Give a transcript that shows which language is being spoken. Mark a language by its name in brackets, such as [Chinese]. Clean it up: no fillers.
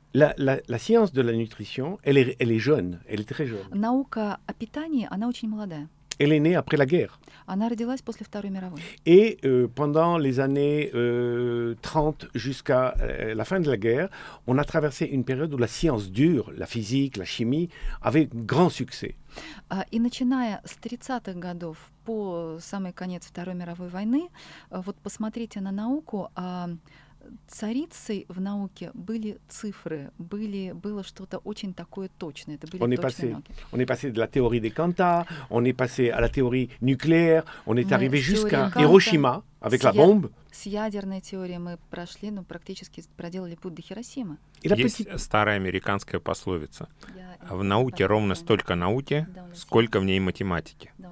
[French] La science de la nutrition, elle est jeune, elle est très jeune. [Russian] Наука о питании, она очень молодая. [French] Elle est née après la guerre. [Russian] Она родилась после Второй мировой. [French] Et pendant les années 30 jusqu'à la fin de la guerre, on a traversé une période où la science dure, la physique, la chimie, avait grand succès. [Russian] И начиная с 30-х годов по самый конец Второй мировой войны, вот посмотрите на науку, царицей в науке были цифры, было что-то очень такое точное. Это были точные науки. [French] On est passé de la théorie des quantas, on est passé à la théorie nucléaire, on est arrivé jusqu'à Hiroshima avec la bombe. [Russian] С ядерной теорией мы прошли, ну, практически проделали путь до Хиросимы. Есть старая американская пословица. В науке ровно столько науки, сколько в ней математики.